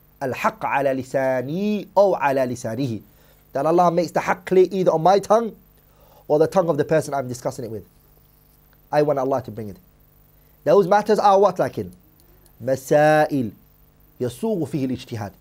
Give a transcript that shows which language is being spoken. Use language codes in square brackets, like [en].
[ar] الحق على لساني أو على لسانه. [en] That Allah makes the haq clear either on my tongue or the tongue of the person I'm discussing it with. I want Allah to bring it. Those matters are what like in? [ar] مسائل يسوغ فيه الاجتهاد.